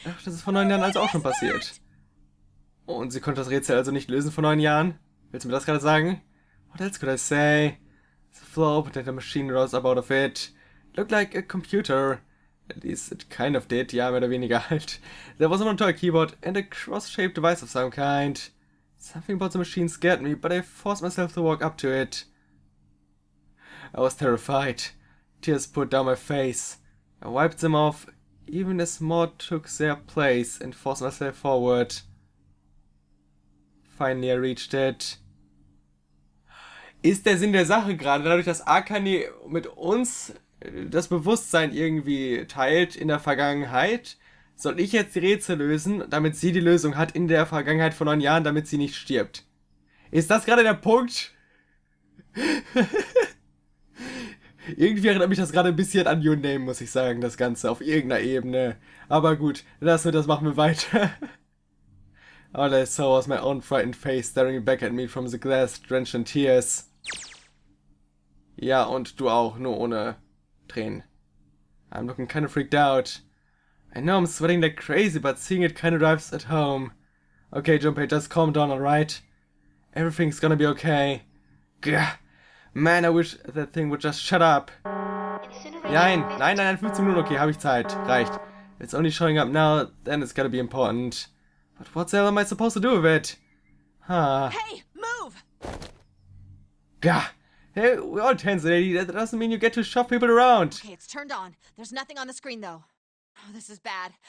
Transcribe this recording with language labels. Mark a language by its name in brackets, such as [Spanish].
[German] Ach, das ist vor 9 Jahren also auch schon passiert. Und sie konnte das Rätsel also nicht lösen vor 9 Jahren? Willst du mir das gerade sagen? [English] What else could I say? The floor opened and a machine rose up out of it. Looked like a computer. At least it kind of did, [German] ja, mehr oder weniger halt. [English] There was a monitor keyboard and a cross-shaped device of some kind. Something about the machine scared me, but I forced myself to walk up to it. I was terrified. Tears poured down my face. I wiped them off, even as more took their place, and forced myself forward. Finally I reached it. [German] Ist der Sinn der Sache gerade, dadurch, dass Akane mit uns das Bewusstsein irgendwie teilt in der Vergangenheit, soll ich jetzt die Rätsel lösen, damit sie die Lösung hat in der Vergangenheit von 9 Jahren, damit sie nicht stirbt? Ist das gerade der Punkt? Irgendwie erinnert mich das gerade ein bisschen an Your Name, muss ich sagen, das Ganze, auf irgendeiner Ebene. Aber gut, lass nur das, machen wir weiter. [English] All I saw was my own frightened face staring back at me from the glass, drenched in tears. [German] Ja, und du auch, nur ohne Tränen. [English] I'm looking kind of freaked out. I know I'm sweating like crazy, but seeing it kind of drives at home. Okay, Junpei, just calm down, alright? Everything's gonna be okay. Gah! Man, I wish that thing would just shut up. [German] Nein, nein, nein, 15 Minuten, okay, habe ich Zeit. Reicht. [English] It's only showing up now, then it's gotta be important. But what the hell am I supposed to do with it? Hey, move! Gah! Hey, we all tense, lady. That doesn't mean you get to shove people around. Okay, it's turned on. There's nothing on the screen, though. Oh, this is bad.